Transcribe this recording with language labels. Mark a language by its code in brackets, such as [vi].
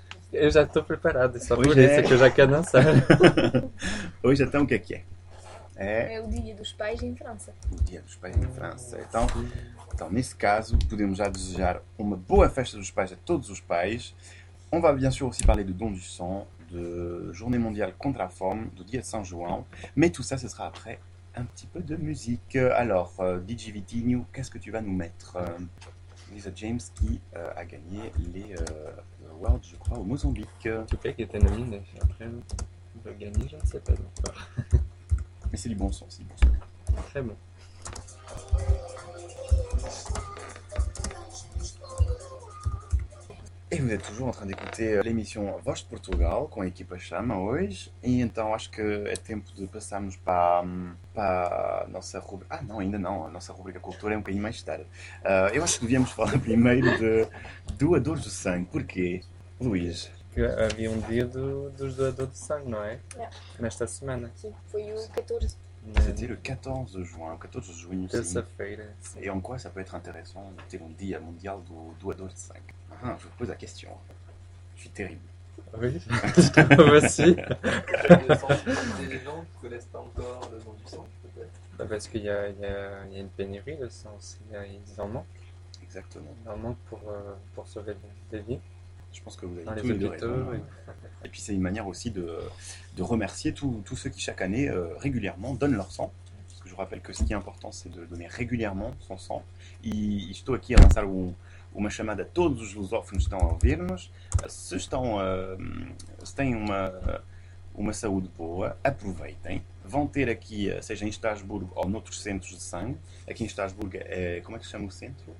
[pt] Eu já estou preparado, só hoje por isso que eu já quero dançar. Hoje então o que é que é? É o dia dos pais em França. O dia dos pais em França. Então, nesse caso, podemos já desejar uma boa festa dos pais a todos os pais. [fr] On va bien sûr aussi parler de dons du sang, de Journée mondiale contre la faim, [pt] do dia de São João. [fr] Mais tout ça, ce sera après un petit peu de musique. Alors, DJ Vitinho, qu'est-ce que tu vas nous mettre? Lisa James qui a gagné les Worlds, je crois, au Mozambique. Tu sais qu'il était nominé. Après, on va gagner, je ne sais pas encore. Mais c'est du bon sens, c'est du bon sens. Très bon. Et vous êtes toujours en train d'écouter l'émission Voz de Portugal, [pt] com a equipa Chama, hoje. E então acho que é tempo de passarmos para a nossa rubrica... Ah não, ainda não, a nossa rubrica cultura é um bocadinho mais tarde. Eu acho que devíamos falar primeiro de doadores do sangue. Porquê, Luís? Havia um dia dos doadores de sangue, não é? [en] Yeah. [pt] Nesta semana. Sim, foi o 14. [fr] C'était le 14 de juin, 14 de juin. C'est sa fête. Et en quoi ça peut être intéressant de dire un dia mondial du doador de sang? Ah, je vous pose la question. Je suis terrible. Oui, je te remercie. Des gens ne connaissent pas encore le don du sang, peut-être? Parce qu'il y a une pénurie de sang, ils en manquent. Exactement. Ils en manquent pour sauver des vies. Je pense que vous avez tous les deux raisons. Et puis c'est une manière aussi de remercier tous ceux qui chaque année régulièrement donnent leur sang. Parce que je rappelle que ce qui est important, c'est de donner régulièrement son sang. [pt] E estou aqui a lançar uma chamada a todos os lusófonos que estão a ouvir-nos. Se têm uma saúde boa, aproveitem. Vão ter aqui, seja em Estrasburgo ou noutros centros de sangue. Aqui em Estrasburgo, como é que se chama o centro?